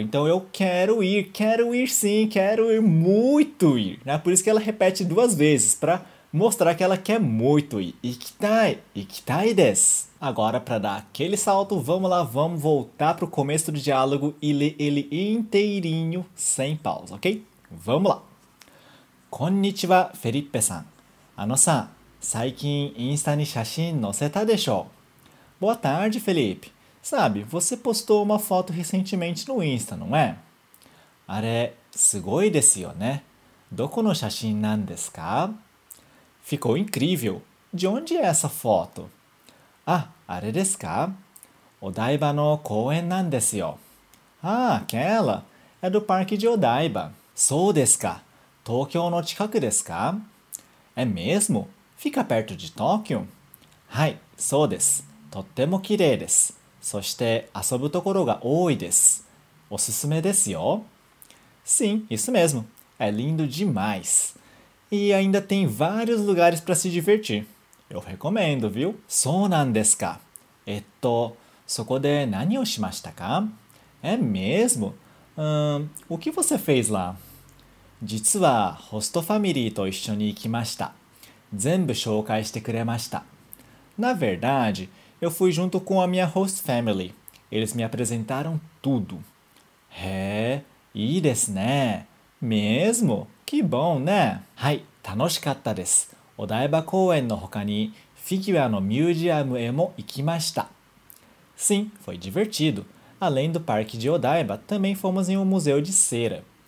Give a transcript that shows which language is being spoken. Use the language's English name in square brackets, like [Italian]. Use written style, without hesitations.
[Portuguese] Então, eu quero ir. Quero ir sim. Quero ir muito ir. Né? Por isso que ela repete duas vezes. Para mostrar que ela quer muito ir. Ikitai. [Japanese] Ikitai desu. [Portuguese] Agora, para dar aquele salto, vamos lá. Vamos voltar para o começo do diálogo e ler ele inteirinho, sem pausa. Ok? Vamos lá! [Japanese] こんにちは、フェリッペさん。あのさ、最近インスタに写真載せたでしょ? [Portuguese] Boa tarde, Felipe. Sabe, você postou uma foto recentemente no Insta, não é? [Japanese] あれ、すごいですよね。どこの写真なんですか? [Portuguese] Ficou incrível. De onde é essa foto? [Japanese] Ah, あれですか? お台場の公園なんですよ。 [Portuguese] Ah, aquela. É do Parque de Odaiba. [Japanese] そうですか。東京の近くですか? [Portuguese] É mesmo? Fica perto de Tóquio? [Japanese] はい、そうです。とっても綺麗です。そして遊ぶところが多いです。おすすめですよ。 [Portuguese] Sim, isso mesmo. É lindo demais. E ainda tem vários lugares para se divertir. Eu recomendo, viu? [Japanese] そうなんですか。そこで何をしましたか？ [Portuguese] É mesmo? O que você fez lá? [Japanese] 実はホストファミリーと一緒に行きました。全部紹介してくれました。 [Portuguese] Na verdade, eu fui junto com a minha host family. Eles me apresentaram tudo. [Japanese] へえ、いいですね。 [Portuguese] Mesmo? Que bom, né? [Japanese] はい、楽しかったです。お台場公園の他にフィギュアのミュージアムへも行きました。 [Portuguese] Sim, foi divertido. Além do parque de Odaiba, também fomos em um museu de cera.